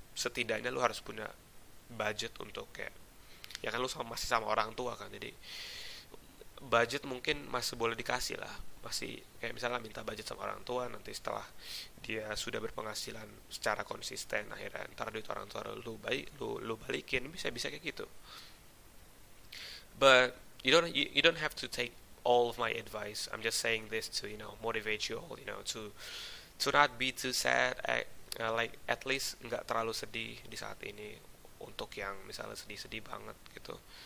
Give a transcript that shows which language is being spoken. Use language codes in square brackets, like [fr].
[id] Setidaknya lu harus punya budget untuk kayak, ya kan lu sama, masih sama orang tua kan, jadi budget mungkin masih boleh dikasih lah, masih kayak misalnya minta budget sama orang tua, nanti setelah dia sudah berpenghasilan secara konsisten akhirnya ntar duit orang tua lu baik lu lu balikin, bisa-bisa kayak gitu. [en] But you don't have to take all of my advice. I'm just saying this to, you know, motivate you all, you know, to not be too sad. Like at least [id] nggak terlalu sedih di saat ini untuk yang misalnya sedih-sedih banget gitu.